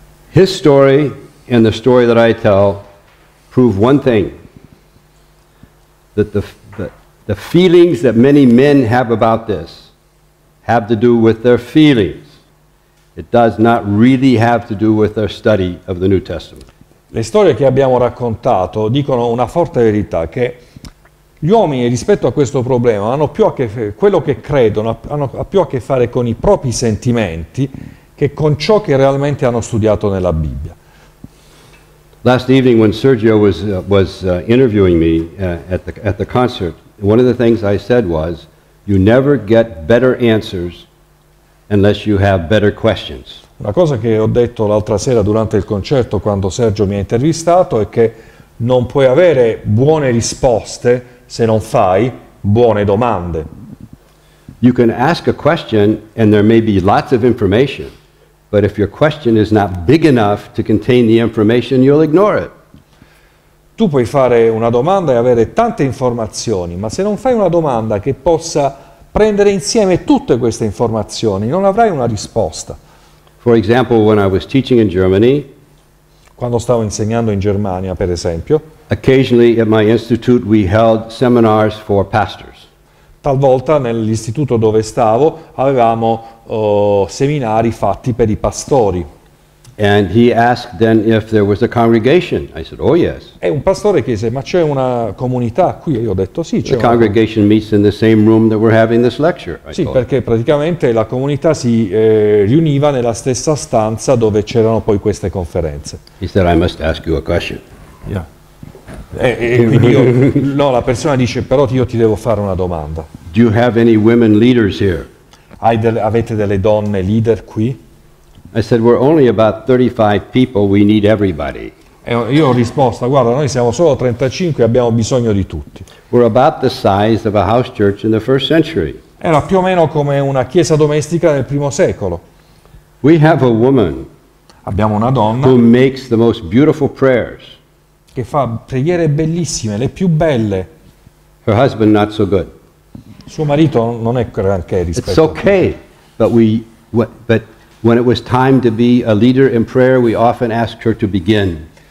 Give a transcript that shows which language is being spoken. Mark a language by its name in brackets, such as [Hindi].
[English] His story and the story that I tell prove one thing, that the feelings that many men have about this have to do with their feelings. It does not really have to do with our study of the New Testament. [Italian] Le storie che abbiamo raccontato dicono una forte verità, che gli uomini rispetto a questo problema hanno più a che fare, quello che credono, hanno più a che fare con i propri sentimenti che con ciò che realmente hanno studiato nella Bibbia. [English] Last evening when Sergio was interviewing me at the concert, one of the things I said was, you never get better answers unless you have better questions. [Italian] Una cosa che ho detto l'altra sera durante il concerto quando Sergio mi ha intervistato è che non puoi avere buone risposte se non fai buone domande. [English] You can ask a question and there may be lots of information, but if your question is not big enough to contain the information, you'll ignore it. [Italian] Tu puoi fare una domanda e avere tante informazioni, ma se non fai una domanda che possa prendere insieme tutte queste informazioni, non avrai una risposta. [English] For example, when I was teaching in Germany, [Italian] quando stavo insegnando in Germania, per esempio, [English] occasionally at my institute we held seminars for pastors. [Italian] Talvolta nell'istituto dove stavo avevamo seminari fatti per i pastori. [English] And he asked then if there was a congregation. I said, "Oh yes." [Italian] E un pastore chiese, "Ma c'è una comunità qui?" E io ho detto, "Sì, c'è." [English] The congregation meets in the same room that we're having this lecture. [Italian] Sì, perché praticamente la comunità si riuniva nella stessa stanza dove c'erano poi queste conferenze. [English] He said, "I must ask you a question." Yeah. [Italian] E quindi io, no, la persona dice, "Però io ti devo fare una domanda." [English] Do you have any women leaders here? [Italian] Avete delle donne leader qui? [English] I said, "We're only about 35 people, we need everybody." [Italian] E io ho risposto, "Guarda, noi siamo solo 35, abbiamo bisogno di tutti." [English] We're about the size of a house church in the first century. [Italian] Era più o meno come una chiesa domestica nel primo secolo. [English] We have a woman. [Italian] Abbiamo una donna. [English] Who makes the most beautiful prayers. [Italian] Che fa preghiere bellissime, le più belle. [English] Her husband not so good. [Italian] Suo marito non è granché rispetto. [English] It's okay, but when it was time to be a leader in prayer, we often asked her to begin.